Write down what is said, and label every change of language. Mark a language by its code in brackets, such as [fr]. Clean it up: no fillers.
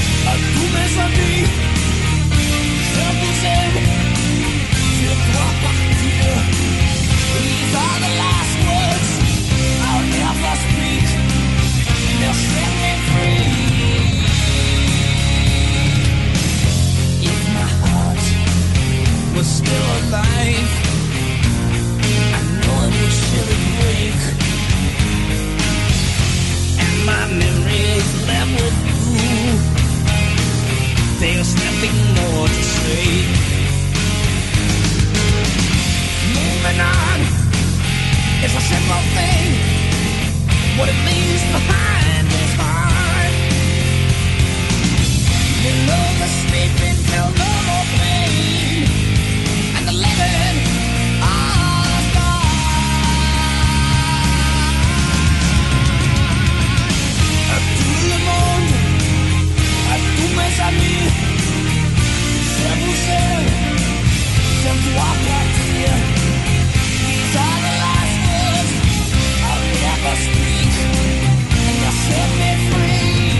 [fr] À tous mes amis, je vous aime, je dois partir. [en] These are the last words I'll ever speak. They'll set me free. If my heart was still alive, I know it would surely break. And my memories left with you. There's nothing more to say. Moving on is a simple thing. What it leaves behind is hard. You know the sleeping till no more pain. And the living are gone. Up to the moon. [fr] Mes amis, je vous aime, je dois partir. [en] These are the last words I'll ever speak, and you'll set me free.